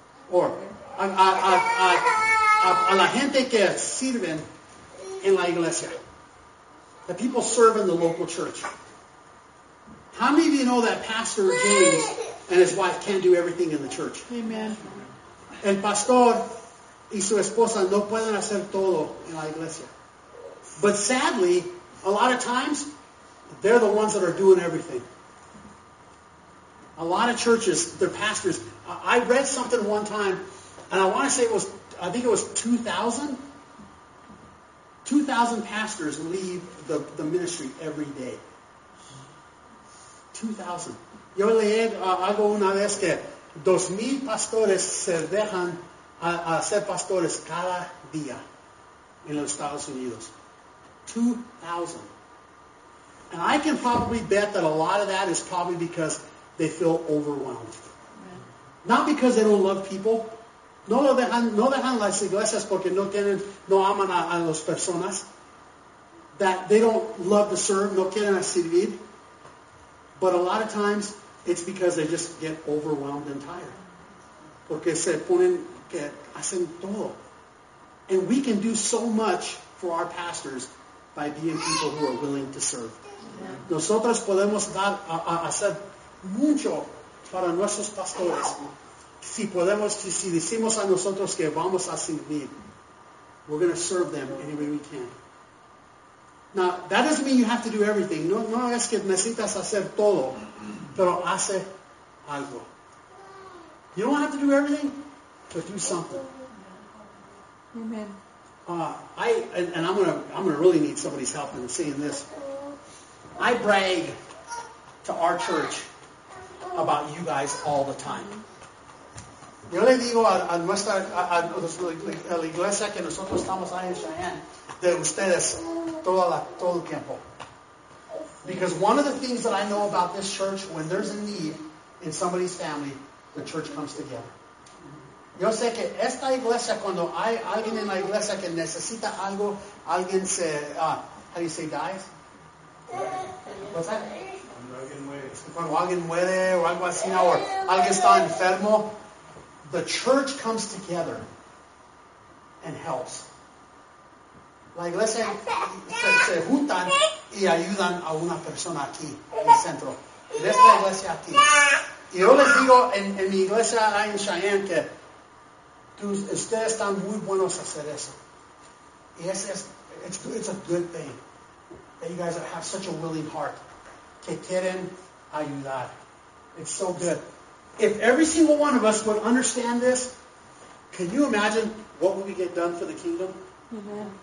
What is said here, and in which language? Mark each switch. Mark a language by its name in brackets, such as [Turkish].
[Spanish] Or a la gente que sirven en la iglesia. [English] The people serve in the local church. How many of you know that Pastor James and his wife can't do everything in the church? Amen. [Spanish] El pastor y su esposa no pueden hacer todo en la iglesia. [English] But sadly, a lot of times, they're the ones that are doing everything. a lot of churches, their pastors, I read something one time, and I want to say it was, I think it was 2,000. 2,000 pastors leave the ministry every day. 2,000. [Spanish] Yo leí algo una vez que 2,000 pastores se dejan a ser pastores cada día en los Estados Unidos. 2,000. [English] And I can probably bet that a lot of that is probably because they feel overwhelmed. Yeah. Not because they don't love people. [Spanish] No dejan las iglesias porque no tienen, no aman a las personas. [English] That they don't love to serve, [Spanish] no quieren servir. [English] But a lot of times, it's because they just get overwhelmed and tired. [Spanish] Porque se ponen, que hacen todo. [English] And we can do so much for our pastors by being people who are willing to serve. Yeah. [Spanish] Nosotros podemos dar a hacer mucho para nuestros pastores. Si podemos, si decimos a nosotros que vamos a servir, [English] we're going to serve them any way we can. Now, that doesn't mean you have to do everything. [Spanish] No es que necesitas hacer todo, pero hace algo. [English] You don't have to do everything, but do something. Amen. I'm gonna really need somebody's help in saying this. I brag to our church about you guys all the time. [Spanish] Yo le digo a nuestra, a la iglesia que nosotros estamos ahí en Cheyenne, de ustedes todo el tiempo. [English] Because one of the things that I know about this church, when there's a need in somebody's family, the church comes together. [Spanish] Yo sé que esta iglesia, cuando hay alguien en la iglesia que necesita algo, alguien se, [English] how do you say, dies? What's that? [Spanish] Cuando alguien muere o algo así, o alguien está enfermo, [English] the church comes together and helps. [Spanish] La iglesia se juntan y ayudan a una persona aquí, en el centro. En esta iglesia aquí. Y yo les digo, en mi iglesia ahí en Cheyenne, que ustedes están muy buenos a hacer eso. Y ese es, [English] it's a good thing that you guys have such a willing heart. [Spanish] Que quieren ayudar. [English] It's so good. If every single one of us would understand this, can you imagine what would we get done for the kingdom? Mm-hmm.